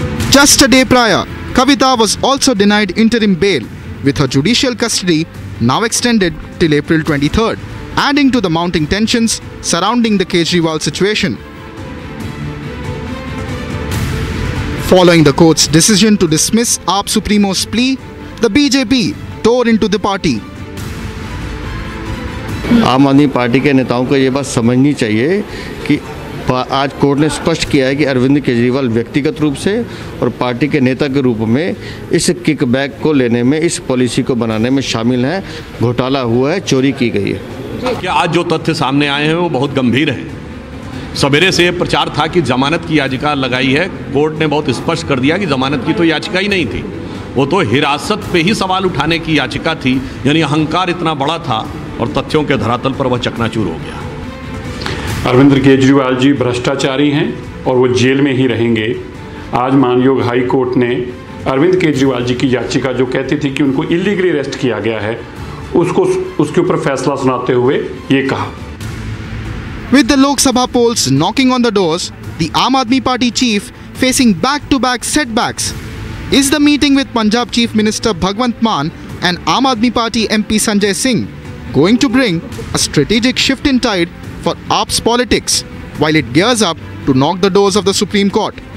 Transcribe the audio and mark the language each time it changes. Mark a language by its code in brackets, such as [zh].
[en] Just a day prior, Kavita was also denied interim bail with her judicial custody now extended till April 23rd, adding to the mounting tensions surrounding the Kejriwal situation. Following the court's decision to dismiss AAP Supremo's plea, the BJP tore into the party. [hi] आम आदमी party के नेताओं को ये बात समझनी चाहिए कि आज कोर्ट ने स्पष्ट किया है कि अरविंद केजरीवाल व्यक्तिगत रूप से और पार्टी के नेता के रूप में इस किकबैक को लेने में, इस पॉलिसी को बनाने में शामिल हैं, घोटाला हुआ है, चोरी की गई है। क्या आज जो तथ्य सामने आए हैं वो बहुत गंभीर हैं? सवेरे से ये प्रचार था कि जमानत की याचिका लगाई है, कोर्ट ने बहुत स्पष्ट कर दिया कि जमानत की तो याचिका ही नहीं थी, वो तो हिरासत पे ही सवाल उठाने की याचिका थी, यानी अहंकार इतना बड़ा था और तथ्यों के धरातल पर वह चकनाचूर हो गया। अरविंद केजरीवाल जी भ्रष्टाचारी हैं और वो जेल में ही रहेंगे। आज माननीय हाई कोर्ट ने अरविंद केजरीवाल जी की याचिका जो कहती थी कि उनको इलीगली अरेस्ट किया गया है, उसको उसके ऊपर फैसला सुनाते हुए ये कहा। [en] With the Lok Sabha polls knocking on the doors, the Aam Aadmi Party chief facing back-to-back setbacks, is the meeting with Punjab Chief Minister Bhagwant Mann and Aam Aadmi Party MP Sanjay Singh going to bring a strategic shift in tide for AAP's politics while it gears up to knock the doors of the Supreme Court?